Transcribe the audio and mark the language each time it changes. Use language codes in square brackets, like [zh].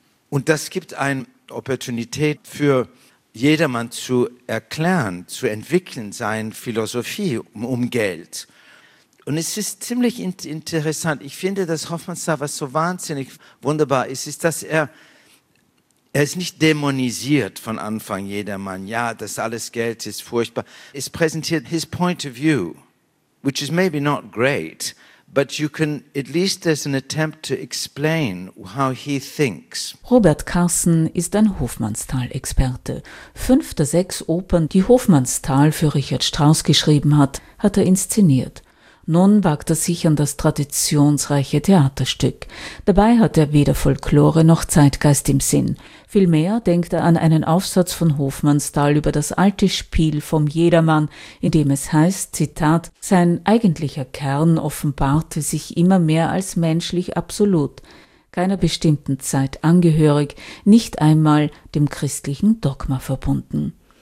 [de] Und das gibt eine Opportunität für jedermann zu erklären, zu entwickeln seine Philosophie um Geld. Und es ist ziemlich interessant. Ich finde, dass Hoffmannsthal was so wahnsinnig wunderbar ist, ist, dass er ist nicht dämonisiert von Anfang jedermann. Ja, das alles Geld ist furchtbar. Es präsentiert [en] his point of view, which is maybe not great, but you can, at least there's an attempt to explain how he thinks. [de] Robert Carson ist ein Hofmannsthal-Experte. 5 der 6 Opern, die Hofmannsthal für Richard Strauss geschrieben hat, hat er inszeniert. Nun wagt er sich an das traditionsreiche Theaterstück. Dabei hat er weder Folklore noch Zeitgeist im Sinn. Vielmehr denkt er an einen Aufsatz von Hofmannsthal über das alte Spiel vom Jedermann, in dem es heißt, Zitat, sein eigentlicher Kern offenbarte sich immer mehr als menschlich absolut, keiner bestimmten Zeit angehörig, nicht einmal dem christlichen Dogma verbunden.